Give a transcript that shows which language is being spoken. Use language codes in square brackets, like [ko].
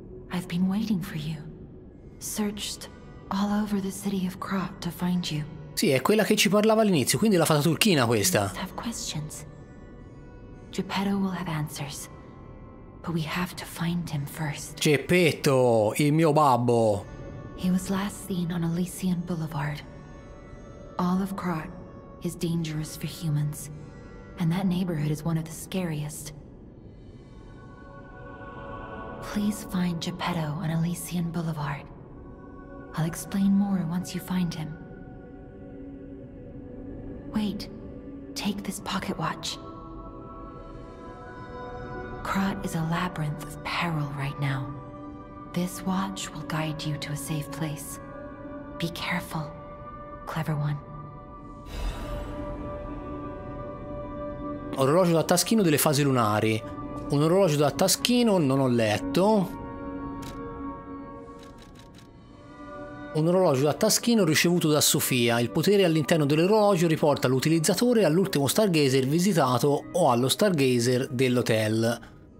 [en] I've been waiting for you. Searched all over the city of Krat to find you. [it] Sì, è quella che ci parlava all'inizio, quindi è la fata turchina questa. [en] You must have questions. Geppetto will have answers. But we have to find him first. [it] Geppetto, il mio babbo. [en] He was last seen on Elysian Boulevard. All of Krat is dangerous for humans, and that neighborhood is one of the scariest. Please find Geppetto on Elysian Boulevard. I'll explain more once you find him. Wait, take this pocket watch. Krat is a labyrinth of peril right now. This watch will guide you to a safe place. Be careful, clever one. [it] orologio da taschino delle fasi lunari. Un orologio da taschino non ho letto. Un orologio da taschino ricevuto da Sofia. Il potere all'interno dell'orologio riporta l'utilizzatore all'ultimo Stargazer visitato o allo Stargazer dell'hotel.